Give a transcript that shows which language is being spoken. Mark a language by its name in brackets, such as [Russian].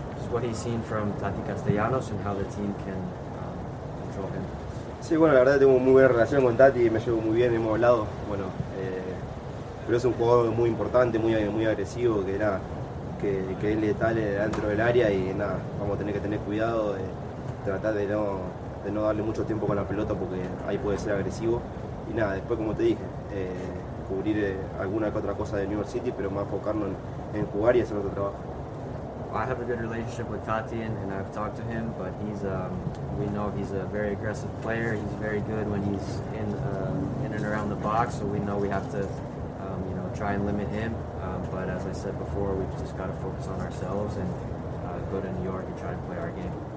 [English] It's what he's seen from Tati Castellanos and how the team can control him. [Spanish] Sí, bueno, la verdad tengo muy buena relación con Tati, me llevo muy bien, hemos hablado, bueno, pero es un jugador muy importante, muy, muy agresivo, que nada, que es letal dentro del área y nada, vamos a tener que tener cuidado, de tratar de no darle mucho tiempo con la pelota porque ahí puede ser agresivo. Y nada, después como te dije, cubrir alguna que otra cosa de New York City, pero más enfocarnos en jugar y hacer otro trabajo. [English] I have a good relationship with Tati and I've talked to him, but he's a very aggressive player. He's very good when he's in and around the box, so we know we have to try and limit him. But as I said before, we've just got to focus on ourselves and go to New York and try to play our game.